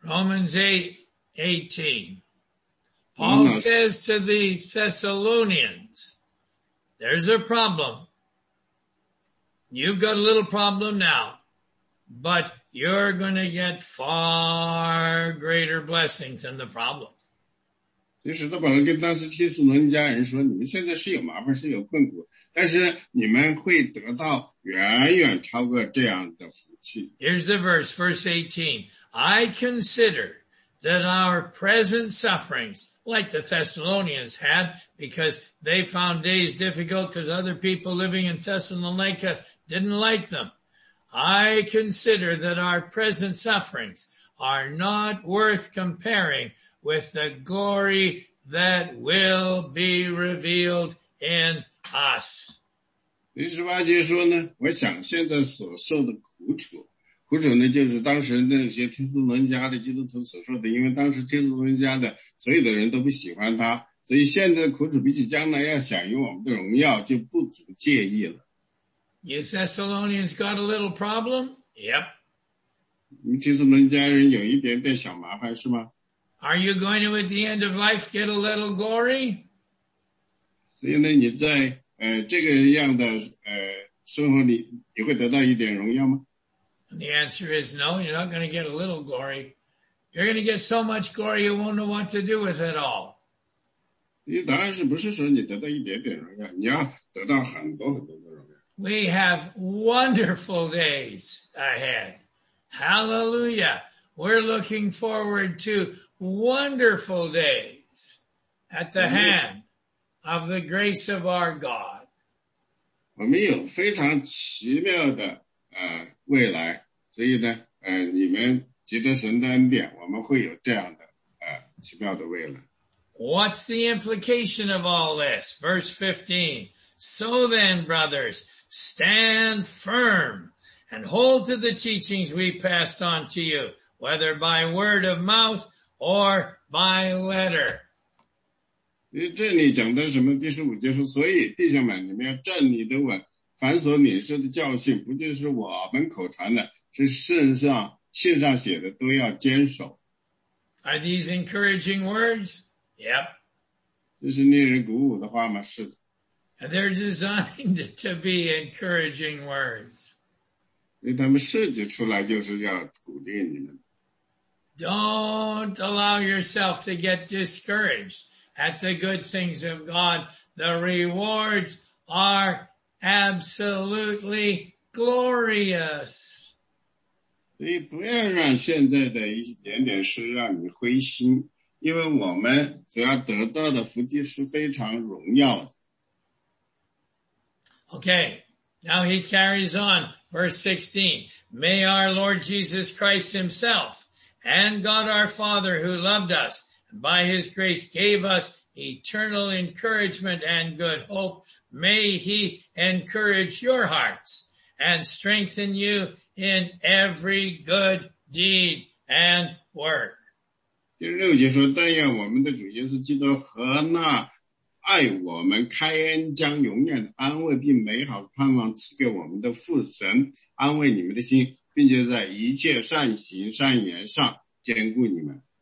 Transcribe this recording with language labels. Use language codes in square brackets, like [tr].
[en] Romans 8:18. Paul says to the Thessalonians, there's a problem. You've got a little problem now. But you're going to get far greater blessings than the problem. [zh] 其实他本来跟当时提斯罗尼迦人说，你们现在是有麻烦，是有困苦，但是你们会得到远远超过这样的福气。 [en] Here's the verse, verse 18. I consider that our present sufferings, like the Thessalonians had, because they found days difficult because other people living in Thessalonica didn't like them. I consider that our present sufferings are not worth comparing with the glory that will be revealed in us. [zh] 18节说呢，我想现在所受的苦楚，苦楚呢就是当时那些提斯伦家的基督徒所受的，因为当时提斯伦家的所有的人都不喜欢他，所以现在的苦楚比起将来要享有我们的荣耀，就不足介意了。 [en] You Thessalonians got a little problem? Yep. [zh] 你提斯伦家人有一点点小麻烦是吗？ [en] Are you going to at the end of life get a little glory? [zh] 所以呢你在这个样的生活里你会得到一点荣耀吗？ [en] And the answer is no, you're not going to get a little glory. You're going to get so much glory you won't know what to do with it all. [zh] 你答案是不是说你得到一点点荣耀，你要得到很多很多的荣耀。 [en] We have wonderful days ahead. Hallelujah. We're looking forward to wonderful days at the hand of the grace of our God. [zh] 我们有非常奇妙的未来，所以呢你们藉着神的恩典，我们会有这样的奇妙的未来。 [en] What's the implication of all this? Verse 15. So then, brothers, stand firm and hold to the teachings we passed on to you, whether by word of mouth or by letter. [zh] 这里讲的什么？第十五节说，所以弟兄们，你们要站立得稳，凡所领受的教训，不就是我们口传的，是信上写的，都要坚守。 [en] Are these encouraging words? Yep. [zh] 这是令人鼓舞的话吗？是的。 [en] And they're designed to be encouraging words. [zh] 因为他们设计出来就是要鼓励你们。 [en] Don't allow yourself to get discouraged. At the good things of God, the rewards are absolutely glorious. [zh] 所以不要让现在的一点点事让你灰心，因为我们所要得到的福气是非常荣耀的。 [en] Okay, now he carries on, verse 16. May our Lord Jesus Christ himself and God our Father who loved us and by his grace gave usEternal encouragement and good hope. May he encourage your hearts and strengthen you in every good deed and work. [zh] 第六节说，但愿我们的主耶稣基督和那爱我们开恩将永远安慰并美好盼望赐给我们的父神安慰你们的心，并且在一切善行善言上坚固你们。